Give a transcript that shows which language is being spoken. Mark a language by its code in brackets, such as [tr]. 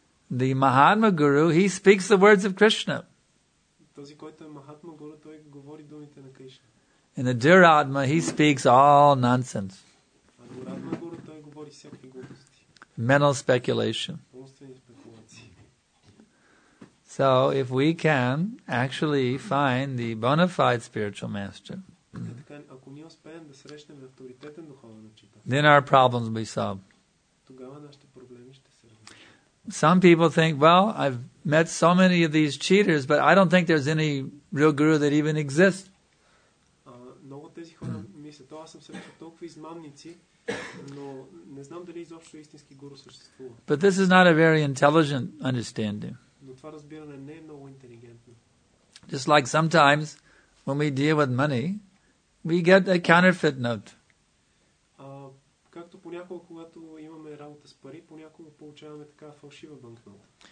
[en] The Mahatma guru, he speaks the words of Krishna. [bg] Този, който е Махатма Гуру, той говори думите на Кришна. [en] In the Дюратма, he speaks all nonsense. [bg] А Дюратма Гуру, той говори всякакви глупости. [en] Mental speculation. [bg] Умствени спекулации. [en] So, if we can actually find the bona fide spiritual master, [bg] ако ние успеем да срещнем авторитетен духовен учител, [en] then our problems will be solved. [bg] Тогава нашите проблеми ще се решат. [en] Some people think, well, I've met so many of these cheaters, but I don't think there's any real guru that even exists. [bg] Много тези хора мислят, аз съм срещал толкова измамници, но не знам дали изобщо истински гуру съществува. [en] But this is not a very intelligent understanding. [bg] Но това разбиране не е много интелигентно. [en] Just like sometimes when we deal with money, we get a counterfeit note. [bg] Както понякога, когато имаме работа с пари, понякога получаваме така фалшива банкнота.